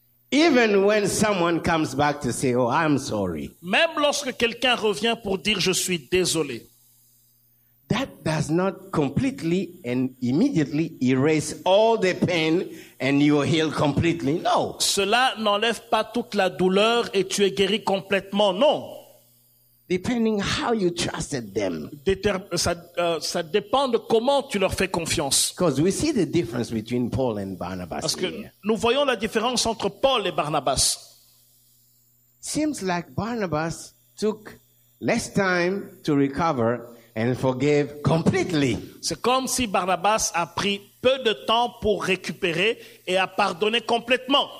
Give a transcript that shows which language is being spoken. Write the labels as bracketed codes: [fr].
[en] even when someone comes back to say, "Oh, I'm sorry," [fr] même lorsque quelqu'un revient pour dire, "Je suis désolé." [en] That does not completely and immediately erase all the pain and you are healed completely. No. [fr] Cela n'enlève pas toute la douleur et tu es guéri complètement. Non. [en] Depending how you trusted them. [fr] Ça dépend de comment tu leur fais confiance. [en] Because we see the difference between Paul and Barnabas. [fr] Parce que nous voyons la différence entre Paul et Barnabas. [en] Seems like Barnabas took less time to recover. And forgave completely. [fr] C'est comme si Barnabas a pris peu de temps pour récupérer et a pardonné complètement.